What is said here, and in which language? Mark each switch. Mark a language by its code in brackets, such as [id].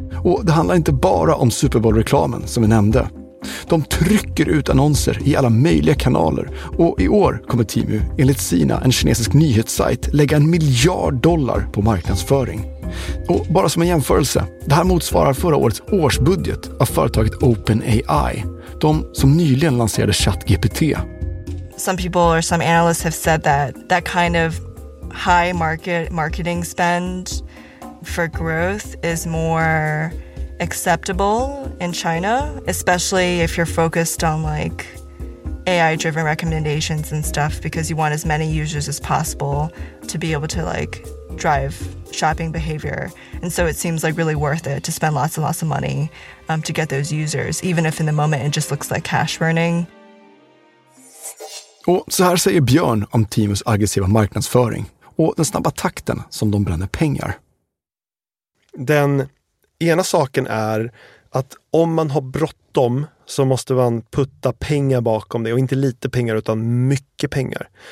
[sv] Och det handlar inte bara om Super Bowl-reklamen som vi nämnde. De trycker ut annonser i alla möjliga kanaler. Och i år kommer Temu, enligt Sina, en kinesisk nyhetssajt, lägga $1 miljard på marknadsföring. Och bara som en jämförelse, det här motsvarar förra årets årsbudget av företaget OpenAI. De som nyligen lanserade ChatGPT. [en] Some people or some analysts have said that kind of high marketing spend for growth is more acceptable in China, especially if you're focused on like AI driven recommendations and stuff, because you want as many users as possible to be able to like drive shopping behavior. And so it seems like really worth it to spend lots and lots of money to get those users, even if in the moment it just looks like cash burning. [sv] Och så här säger Björn om Temus aggressiva marknadsföring och den snabba takten som de bränner pengar. Den ena saken är att om man har bråttom så måste man putta pengar bakom det. Och inte lite pengar utan mycket pengar.